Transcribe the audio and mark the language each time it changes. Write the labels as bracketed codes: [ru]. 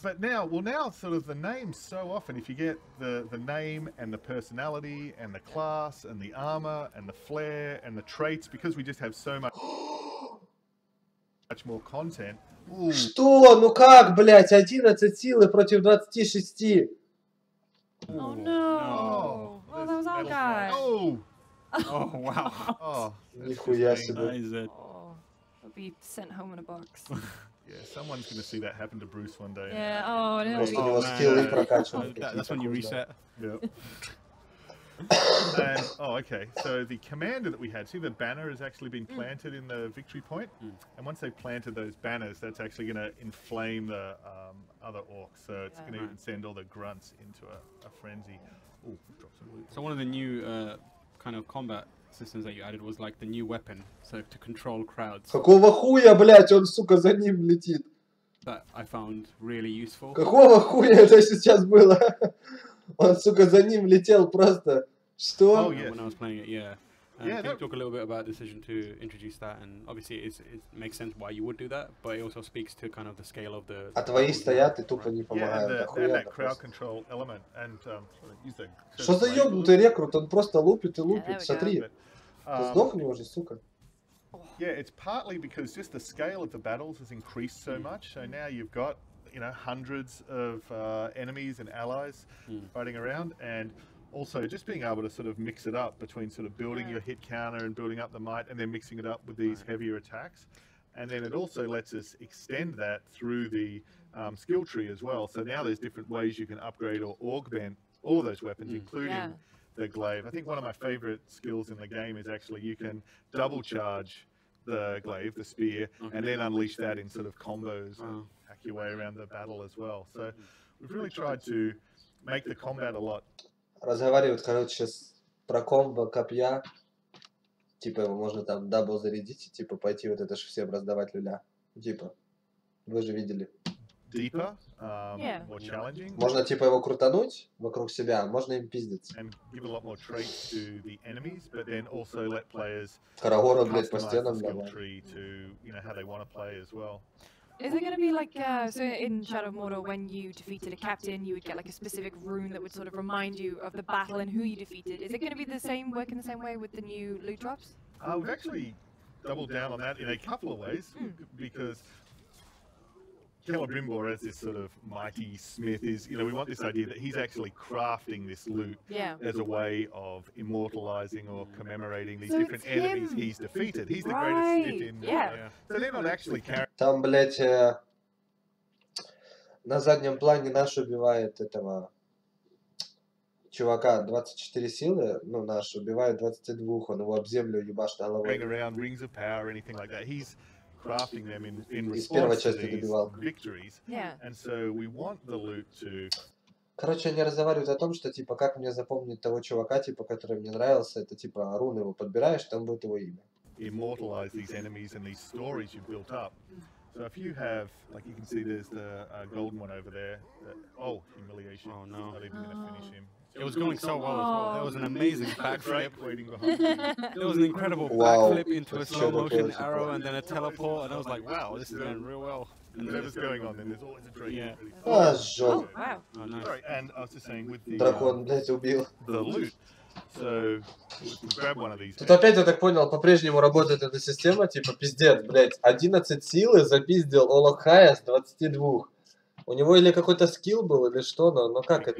[en] But now, well now, sort of the names so often, if you get the name and the personality and the class and the armor and the flair and the traits, because we just have so much, much more content. [ru] Что? Ну как, блядь, 11 силы против 26? [en] Oh no. Well, that was our guy. Oh, wow. [ru] Нихуя себе. [en] That is it. Be sent home in a box. Yeah, someone's gonna see that happen to Bruce one day. Yeah, and... oh, no. Oh, man. That's when you reset. Yep. And, oh, okay. So the commander that we had, see the banner has actually been planted in the victory point? And once they've planted those banners, that's actually gonna inflame the other orcs. So it's gonna even send all the grunts into a frenzy. Ooh, drop some loot. So one of the new kind of combat systems that you added was like the new weapon, so to control crowds. [ru] Какого хуя, блять, он сука за ним летит? [en] That I found really useful. [ru] Какого хуя это сейчас было? Он сука за ним летел просто. Что? [en] Oh yeah. When I was playing it, yeah. Can you talk a little bit about the decision to introduce that? And obviously, it makes sense why you would do that, but it also speaks to kind of the scale of the. [ru] А твои стоят и тупо не помогают. [en] Yeah, and that crowd control element. And [ru] что за ёбнутый рекрут? Он просто лупит и лупит. Смотри, сдохни уже, сука. [en] Yeah, it's partly because just the scale of the battles has increased so much. So now you've got, you know, hundreds of enemies and allies fighting around and. Also, just being able to sort of mix it up between sort of building your hit counter and building up the might and then mixing it up with these heavier attacks. And then it also lets us extend that through the skill tree as well. So now there's different ways you can upgrade or augment all of those weapons, including the glaive. I think one of my favorite skills in the game is actually you can double charge the glaive, the spear, and then unleash that in sort of combos and hack your way around the battle as well. So we've really tried to make the combat a lot... [ru] Разговаривают, короче, про комбо копья, типа его можно там дабл зарядить, типа пойти вот это же всем раздавать люля, типа, вы же видели. [en] Deeper, more challenging. [ru] Можно типа его крутануть вокруг себя, можно им пиздиться. [en] And give a lot more traits to the enemies, but then also let players customize the skill tree to, you know, how they want to play as well. Is it going to be like, so in Shadow of Mordor, when you defeated a captain, you would get like a specific rune that would sort of remind you of the battle and who you defeated. Is it going to be the same, work in the same way with the new loot drops? We've actually doubled down on that in a couple of ways, because Celebrimbor as this sort of mighty smith is, you know, we want this idea that he's actually crafting this loot as a way of immortalizing or commemorating these so different enemies he's defeated. He's the greatest smith in the So they're not actually carrying... [ru] Там, блядь, на заднем плане наш убивает этого чувака 24 силы, ну наш убивает 22, он его об землю ебашит головой. [en] Hang around rings of power, anything like that. He's crafting them in response to these victories. Yeah. And so we want the loot to... [ru] Короче, они разговаривают о том, что, типа, как мне запомнить того чувака, типа, который мне нравился, это, типа, рун его подбираешь, там будет его имя. [en] Immortalize these enemies and these stories you've built up. So if you have, like, you can see there's the golden one over there. Oh, humiliation. Oh, no. Not even going to finish him. It was going so well as well. That was an amazing backflip. It was an incredible backflip into a slow motion arrow and then a teleport. And I was like, wow, this is going real well. And whatever's going on, then there's always a dream. Yeah. Oh, sure. Oh, wow. Oh, nice. Sorry, and I was just saying with the, [ru] Dragon, blade, убил. [en] The loot. So, grab one of these. [ru] Тут опять, я так понял, по-прежнему работает эта система, типа, пиздец, блядь, 11 силы запиздил Олохая с 22. У него или какой-то скилл был, или что, но как это?